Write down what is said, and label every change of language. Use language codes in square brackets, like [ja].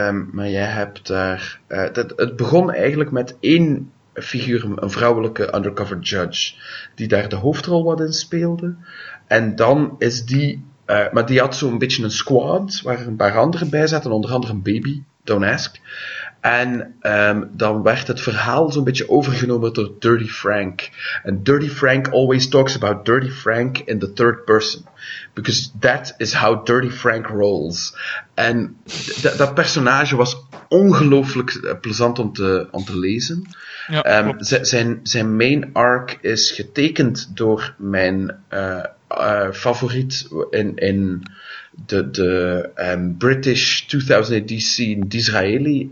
[nl] Maar je hebt daar. Het begon eigenlijk met één figuur, een vrouwelijke undercover judge, die daar de hoofdrol wat in speelde. En dan is die... maar die had zo'n beetje een squad, waar een paar anderen bij zaten, onder andere een baby, [en] don't ask. [nl] En dan werd het verhaal zo'n beetje overgenomen door Dirty Frank. [en] En Dirty Frank always talks about Dirty Frank in the third person. Because that is how Dirty Frank rolls. [nl] En dat personage was ongelooflijk plezant om te lezen. Ja, zijn [en] main arc [nl] is getekend door mijn favoriet in de British 2008 scene, Disraeli.